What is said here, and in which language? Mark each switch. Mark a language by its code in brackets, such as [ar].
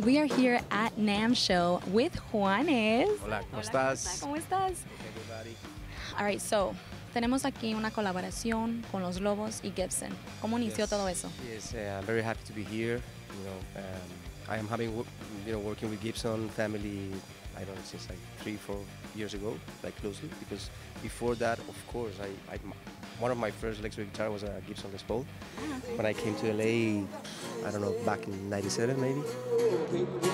[en] We are here at NAAM Show with Juanes. [es] Hola, ¿cómo estás? ¿Cómo estás? [en] Everybody. All right, so, [es] tenemos aquí una colaboración con Los Lobos y Gibson. ¿Cómo inició todo eso? [en] Yes, I'm very happy to be here. You know, I am having, you know, working with Gibson family, I don't know, since like 3-4 years ago, like closely, because before that, of course, one of my first electric guitar was a Gibson Les Paul. When I came to LA, I don't know, back in 97 maybe.